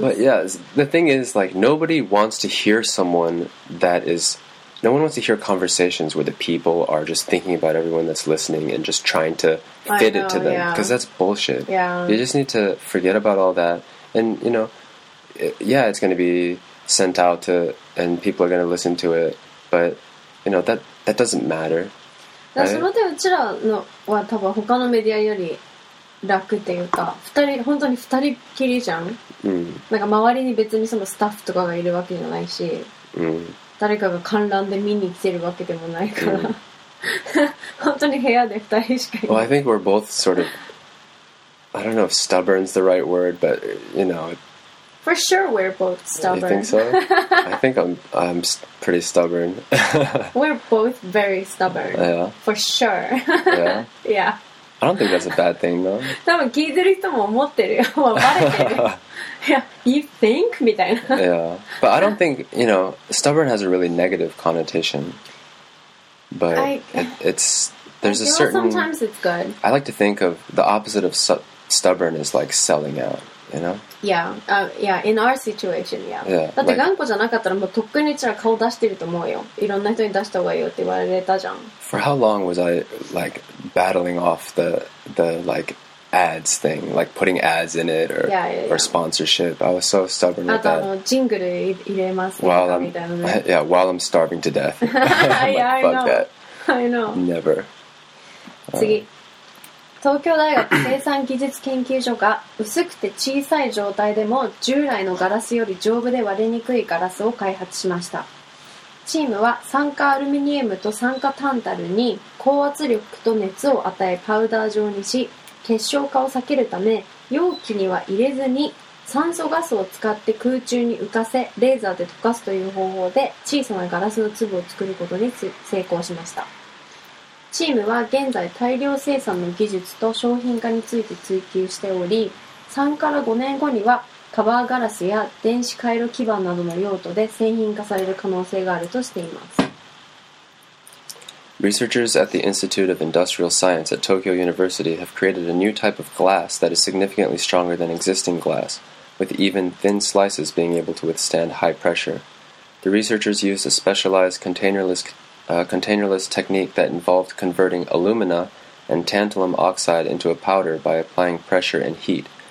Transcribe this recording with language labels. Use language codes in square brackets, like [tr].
[en] But yeah, the thing is, like, nobody wants to hear someone that is, no one wants to hear conversations where the people are just thinking about everyone that's listening and just trying to fit it to them, because that's bullshit. Yeah. You just need to forget about all that, and you know, it's going to be sent out to, and people are going to listen to it, but you know, that doesn't matter. [ja] だそれでうちらのは多分他のメディアより楽っていうか、二人本当に二人きりじゃん。うん。なんか周りに別にそのスタッフとかがいるわけじゃないし、うん。誰かが観覧で見に来てるわけでもないから、うん、本当に部屋で二人しかいない。 [en] Well, I think we're both sort of, I don't know if stubborn is the right word, but you know. For sure, we're both stubborn. You think so? I think I'm pretty stubborn. We're both very stubborn. Yeah. For sure. Yeah. Yeah. I don't think that's a bad thing, though. [ja] 多分聞いてる人も思ってるよ。もうバレてる。 [en] Yeah, you think? [ja] みたいな。 [en] Yeah. But I don't think, you know, stubborn has a really negative connotation. But there's a certain... Sometimes it's good. I like to think of the opposite of stubborn is like selling out, you know? Yeah. Yeah, in our situation, yeah. Yeah. [ja] だって頑固じゃなかったらもうとっくにちら顔出してると思うよ。いろんな人に出した方がいいよって言われたじゃん。 [en] For how long was I like battling off the like ads thing, like putting ads in it or, yeah, yeah, yeah. or sponsorship? I was so stubborn with that. [ja] あとジングル入れますみたいなね。 [en] Yeah, while I'm starving to death. like, yeah, I know. That. I know. Never. [ja] 次、東京大学生産技術研究所が薄くて小さい状態でも従来のガラスより丈夫で割れにくいガラスを開発しました。チームは酸化アルミニウムと酸化タンタルに高圧力と熱を与えパウダー状にし結晶化を避けるため容器には入れずに酸素ガスを使って空中に浮かせレーザーで溶かすという方法で小さなガラスの粒を作ることに成功しました。チームは現在大量生産の技術と商品化について追求しており3から5年後にはカバーガラスや電子回路基板などの用途で製品化される可能性があるとしています。 [en] Researchers at the Institute of Industrial Science at Tokyo University have created a new type of glass that is significantly stronger than existing glass, with even thin slices being able to withstand high pressure. The researchers used a specialized containerless technique that involved converting alumina and tantalum oxide into a powder by applying pressure and heat.